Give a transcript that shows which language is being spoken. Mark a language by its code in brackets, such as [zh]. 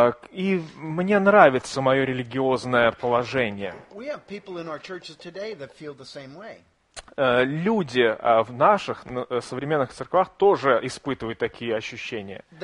[ru] И мне нравится мое религиозное положение. [en] We have people in our churches today that feel the same way. [ru] Люди в наших современных церквах тоже испытывают такие ощущения.